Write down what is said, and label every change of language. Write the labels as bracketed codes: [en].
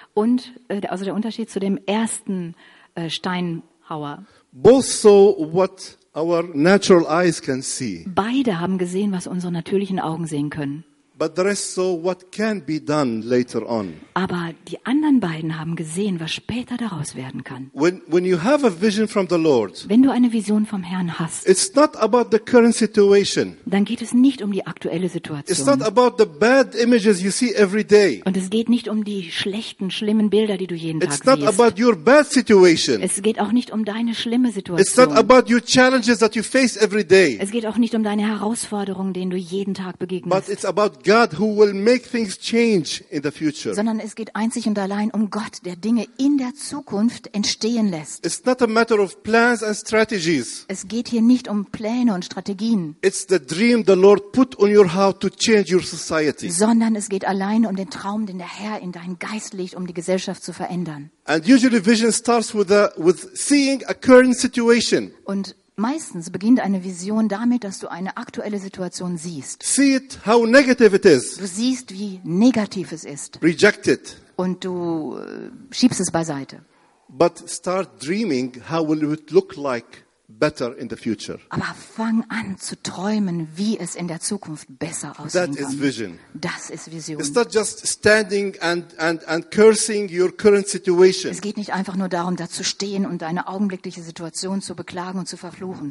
[de] Und also der Unterschied zu dem ersten Steinhauer. [en] Both saw what our natural eyes can see. [de] Beide haben gesehen, was unsere natürlichen Augen sehen können. [en] But the rest saw what can be done later on. [de] Aber die anderen beiden haben gesehen, was später daraus werden kann. [en] When you have a vision from the Lord, [de] wenn du eine Vision vom Herrn hast, [en] it's not about the current situation. [de] Dann geht es nicht um die aktuelle Situation. [en] It's not about the bad images you see every day. [de] Und es geht nicht um die schlechten, schlimmen Bilder, die du jeden [en] it's [de] Tag [en] not [de] siehst. [en] About your bad situation. [de] Es geht auch nicht um deine schlimme Situation. [en] It's not about your challenges that you face every day. [de] Es geht auch nicht um deine Herausforderungen, denen du jeden Tag begegnest. [en] But it's about God who will make things change in the future. [de] Sondern es geht einzig und allein um Gott, der Dinge in der Zukunft entstehen lässt. [en] It's not a matter of plans and strategies. [de] Es geht hier nicht um Pläne und Strategien. [en] It's the dream the Lord put on your heart to change your society. [de] Sondern es geht allein um den Traum, den der Herr in deinen Geist legt, um die Gesellschaft zu verändern. [en] And usually vision starts with seeing a current situation. [de] Und meistens beginnt eine Vision damit, dass du eine aktuelle Situation siehst. [en] See it, how negative it is. [de] Du siehst, wie negativ es ist. [en] Reject it. [de] Und du schiebst es beiseite. [en] But start dreaming, how will it look like better in the future. [de] Aber fang an zu träumen, wie es in der Zukunft besser aussehen [en] that [de] kann. [en] Is vision. [de] Das ist Vision. [en] It's not just standing and cursing your current situation. [de] Es geht nicht einfach nur darum, da zu stehen und deine augenblickliche Situation zu beklagen und zu verfluchen.